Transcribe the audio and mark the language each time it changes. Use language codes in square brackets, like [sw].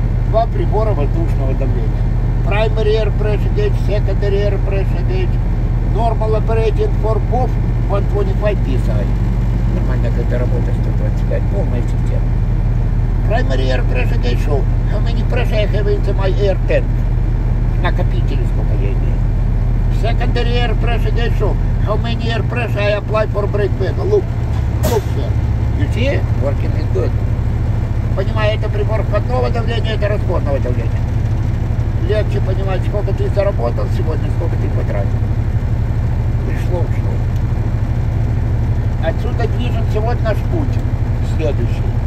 [ru] Два прибора воздушного давления. [en] Primary air pressure gauge, secondary air pressure gauge. Normal operating for both 125 PSI. [ru] Нормально, когда работа 125, полная система. [en] Primary air pressure gauge show. How many pressure I have into my air tank? [ru] Накопители сколько я имею. [en] Secondary air pressure gauge show. How many air pressure I apply for brake pedal? Look, sir. You see? Working is good. [ru] Понимаю, это прибор входного давления, это расходного давления. Легче понимать, сколько ты заработал сегодня, сколько ты потратил. Пришло, ушло. Отсюда движемся, вот наш путь следующий.